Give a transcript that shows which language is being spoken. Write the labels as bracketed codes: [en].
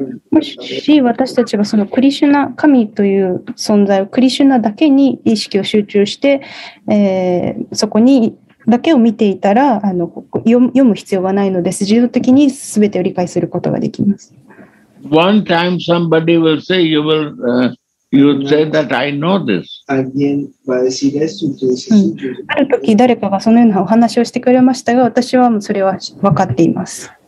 [ja] もし私たちがそのクリシュナ、神という存在をクリシュナだけに意識を集中して、そこにだけを見ていたら、読む必要はないので、自動的にすべてを理解することができます。 [en] One time somebody will say, you will, you say that I know this. [ja] ある時誰かがそのようなお話をしてくれましたが、私はもうそれは分かっています。